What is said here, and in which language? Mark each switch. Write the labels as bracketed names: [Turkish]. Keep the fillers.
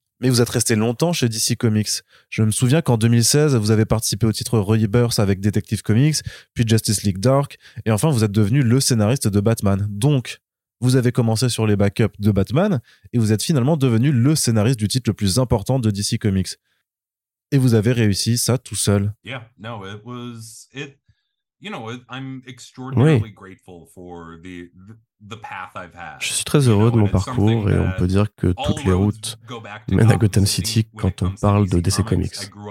[French] Mais vous êtes resté longtemps chez DC Comics. Je me souviens qu'en 2016, vous avez participé au titre Rebirth avec Detective Comics, puis Justice League Dark, et enfin vous êtes devenu le scénariste de Batman. Donc, vous avez commencé sur les backups de Batman, et vous êtes finalement devenu le scénariste du titre le plus important de DC Comics. Et vous avez réussi ça tout seul. [English] Yeah, no, it was, it, you know, I'm extraordinarily grateful for the, the... [French] Je suis très heureux de mon parcours et on peut dire que toutes les routes mènent à Gotham City quand on parle de DC Comics.